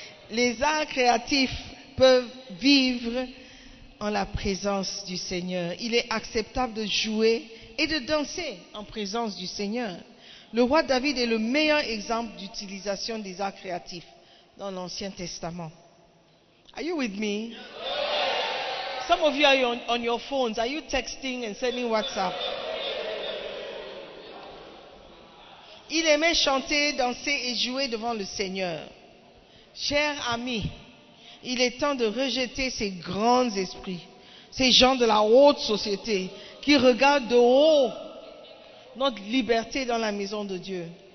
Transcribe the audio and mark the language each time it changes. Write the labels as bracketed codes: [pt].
[fr] Les arts créatifs peuvent vivre en la présence du Seigneur. Il est acceptable de jouer et de danser en présence du Seigneur. Le roi David est le meilleur exemple d'utilisation des arts créatifs dans l'Ancien Testament. [en] Are you with me? Some of you are on your phones. Are you texting and sending WhatsApp? [fr] Il aimait chanter, danser et jouer devant le Seigneur. Chers amis, il est temps de rejeter ces grands esprits, ces gens de la haute société qui regardent de haut notre liberté dans la maison de Dieu.